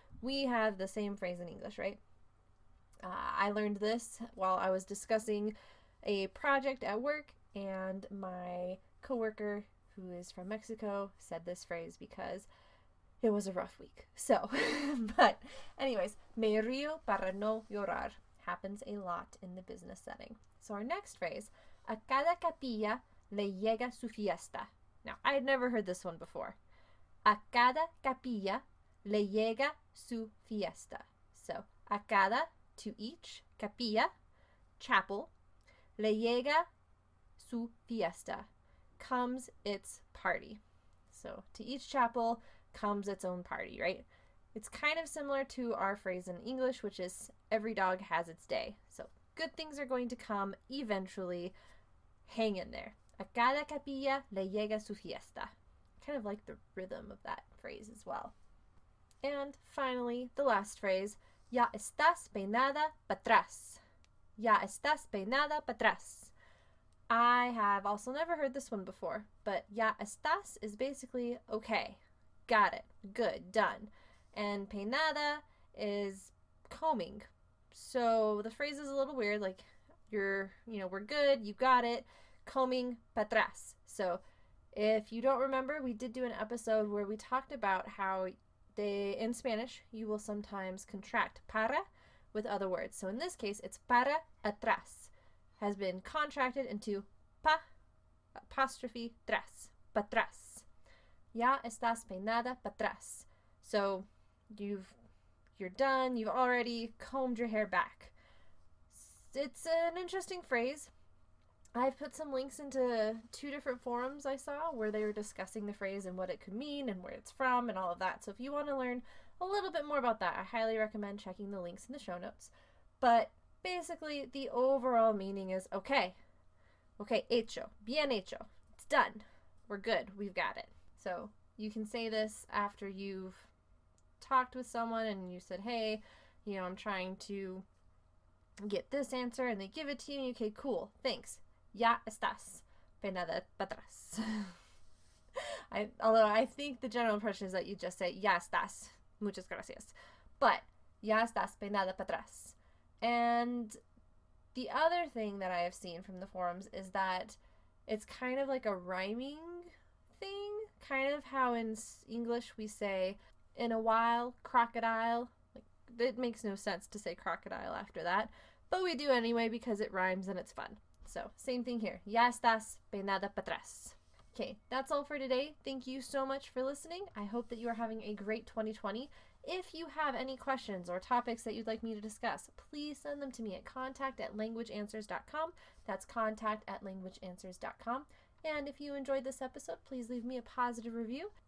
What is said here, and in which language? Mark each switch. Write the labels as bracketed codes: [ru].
[en] We have the same phrase in English, right? I learned this while I was discussing a project at work, and my coworker, who is from Mexico, said this phrase because it was a rough week. So, but anyways, [es] me río para no llorar [en] happens a lot in the business setting. So our next phrase, [es] a cada capilla le llega su fiesta. [en] Now, I had never heard this one before. [es] A cada capilla le llega su fiesta. So, a cada, [en] to each, [es] capilla, [en] chapel, [es] le llega su fiesta, [en] comes its party. So, to each chapel comes its own party, right? It's kind of similar to our phrase in English, which is every dog has its day. So, good things are going to come eventually. Hang in there. [es] A cada capilla le llega su fiesta. [en] Kind of like the rhythm of that phrase as well. And finally, the last phrase, [es] ya estás peinada para atrás. Ya estás peinada para atrás. [en] I have also never heard this one before, but [es] ya estás [en] is basically okay. Got it. Good. Done. And peinada is combing. So the phrase is a little weird, like we're good, you got it. Combing patras. So if you don't remember, we did do an episode where we talked about how they, in Spanish, you will sometimes contract para with other words. So in this case, it's para atrás has been contracted into pa apostrophe tras, patras. [es] Ya estás peinada patras. [en] So you're done, you've already combed your hair back. It's an interesting phrase. I've put some links into two different forums I saw where they were discussing the phrase and what it could mean and where it's from and all of that. So if you want to learn a little bit more about that, I highly recommend checking the links in the show notes. But basically, the overall meaning is, okay. Okay, [es] hecho. Bien hecho. [en] It's done. We're good. We've got it. So you can say this after you've talked with someone and you said, hey, I'm trying to get this answer, and they give it to you, and okay, cool, thanks. [es] Ya estás peinada para atrás. [en] Although I think the general impression is that you just say, [es] ya estás, muchas gracias. But, ya estás peinada para atrás. [en] And the other thing that I have seen from the forums is that it's kind of like a rhyming thing, kind of how in English we say, in a while, crocodile. Like, it makes no sense to say crocodile after that. But we do anyway because it rhymes and it's fun. So, same thing here. [es] Ya estás peinada para atrás. [en] Okay, that's all for today. Thank you so much for listening. I hope that you are having a great 2020. If you have any questions or topics that you'd like me to discuss, please send them to me at contact@languageanswers.com. That's contact@languageanswers.com. And if you enjoyed this episode, please leave me a positive review.